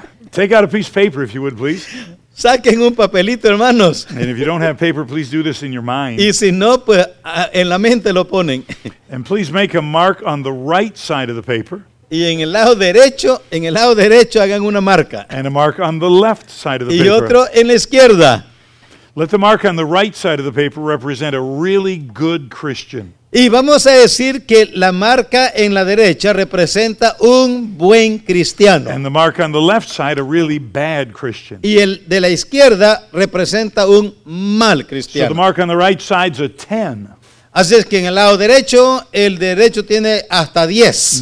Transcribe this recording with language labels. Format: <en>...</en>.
<en>Take out a piece of paper if you would, please.</en> <es>Saquen un papelito, hermanos.</es> <en>And if you don't have paper, please do this in your mind.</en> <es>Y si no, pues en la mente lo ponen.</es> <en>And please make a mark on the right side of the paper.</en> <es>Y en el lado derecho hagan una marca.</es> <en>And a mark on the left side of the</en> <es>y</es> <en>paper.</en> <es>Y otro en la izquierda.</es> <en>Let the mark on the right side of the paper represent a really good Christian.</en> <es>Y vamos a decir que la marca en la derecha representa un buen cristiano.</es> <en>And the mark on the left side, a really bad Christian.</en> <es>Y el de la izquierda representa un mal cristiano.</es> <en>So the mark on the right side's a 10.</en> <es>Así es que en el derecho tiene hasta 10.</es>